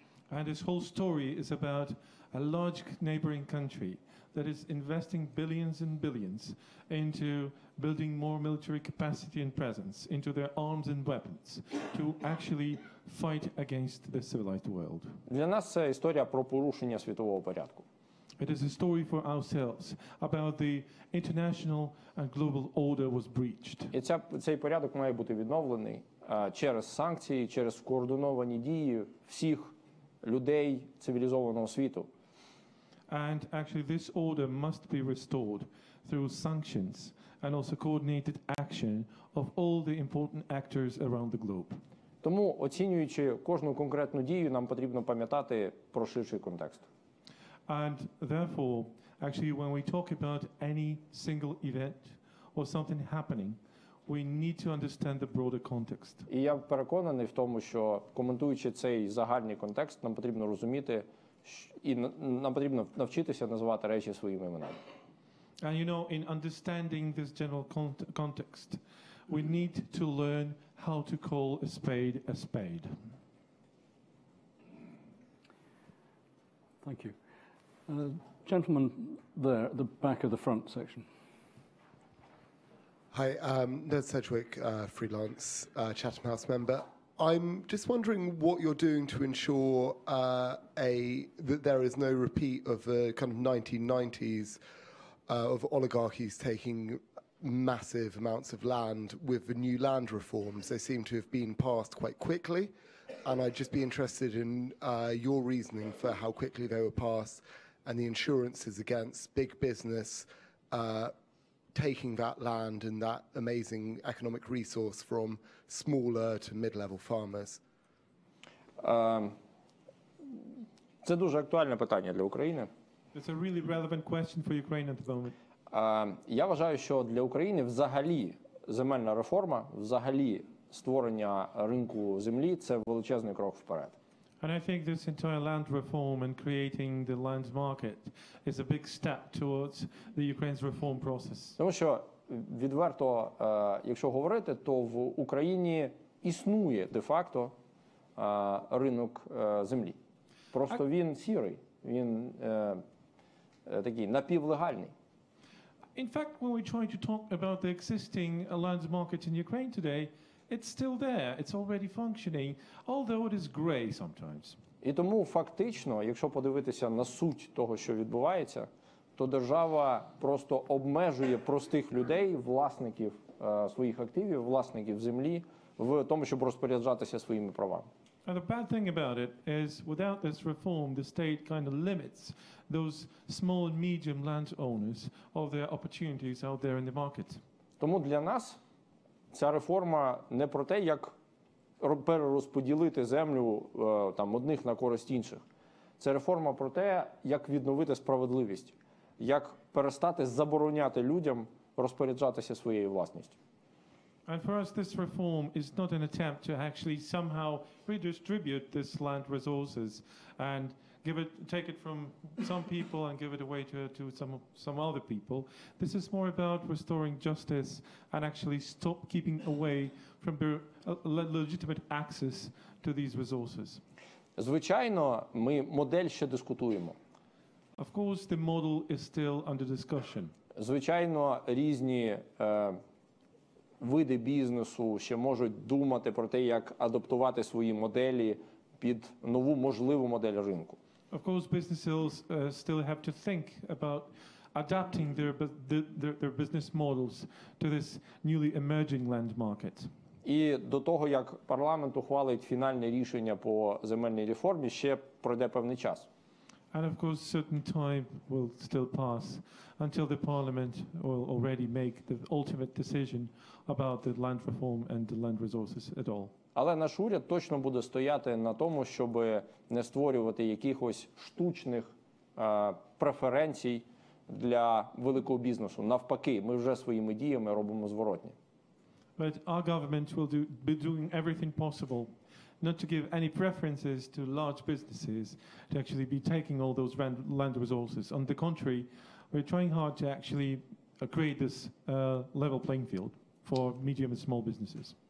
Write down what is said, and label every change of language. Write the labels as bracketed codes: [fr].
[en] And this whole story is about a large neighboring country that is investing billions and billions into building more military capacity and presence, into their arms and weapons, to actually fight against the civilized world. [uk] Для нас це історія про порушення світового порядку. [en] It is a story for ourselves about the international and global order was breached. [uk] І цей порядок має бути відновлений через санкції, через координовані дії всіх людей цивілізованого світу. [en] And actually this order must be restored through sanctions and also coordinated action of all the important actors around the globe. [uk] Тому, оцінюючи кожну конкретну дію, нам потрібно пам'ятати про ширший контекст. [en] And therefore, actually, when we talk about any single event or something happening, we need to understand the broader context. [uk] І я переконаний в тому, що коментуючи цей загальний контекст, нам потрібно розуміти і нам потрібно навчитися називати речі своїми іменами. [en] And you know, in understanding this general context, we need to learn how to call a spade a spade. Thank you. Gentleman there at the back of the front section. Hi, Ned Sedgwick, freelance Chatham House member. I'm just wondering what you're doing to ensure that there is no repeat of the kind of 1990s of oligarchies taking massive amounts of land with the new land reforms. They seem to have been passed quite quickly, and I'd just be interested in your reasoning for how quickly they were passed and the insurances against big business taking that land and that amazing economic resource from smaller to mid-level farmers. [uk] Це дуже актуальне питання для України. [en] It's a really relevant question for Ukraine at the moment. [uk] Я вважаю, що для України взагалі земельна реформа, взагалі створення ринку землі – це величезний крок вперед. [en] And I think this entire land reform and creating the land market is a big step towards the Ukraine's reform process. [uk] Тому що, відверто, якщо говорити, то в Україні існує де-факто ринок землі. Просто він сірий, він такий напівлегальний. [en] In fact, when we try to talk about the existing land market in Ukraine today, it's still there, it's already functioning, although it is grey sometimes. [uk] І тому фактично, якщо подивитися на суть того, що відбувається, то держава просто обмежує простих людей, власників своїх активів, власників землі, в тому, щоб розпоряджатися своїми правами. [en] And the bad thing about it is, without this reform, the state kind of limits those small and medium landowners of their opportunities out there in the market. [uk] Тому для нас ця реформа не про те, як перерозподілити землю там одних на користь інших. Це реформа про те, як відновити справедливість, як перестати забороняти людям розпоряджатися своєю власністю. [en] And for us, this reform is not an attempt to actually somehow redistribute this land resources and take it from some people and give it away to some other people. This is more about restoring justice and actually stop keeping away from legitimate access to these resources. [uk] Звичайно, ми модель ще дискутуємо. [en] Of course, the model is still under discussion. [uk] Звичайно, різні види бізнесу ще можуть думати про те, як адаптувати свої моделі під нову можливу модель ринку. [en] Of course, businesses still have to think about adapting their business models to this newly emerging land market. [uk] І до того, як парламент ухвалить фінальне рішення по земельній реформі, ще пройде певний час. [en] And of course, certain time will still pass until the parliament will already make the ultimate decision about the land reform and the land resources at all. [uk] Але наш уряд точно буде стояти на тому, щоб не створювати якихось штучних преференцій для великого бізнесу. Навпаки, ми вже своїми діями робимо зворотні. [en] But our government will be doing everything possible not to give any preferences to large businesses to actually be taking all those land resources. On the contrary, we're trying hard to actually create this level playing field for medium and small businesses.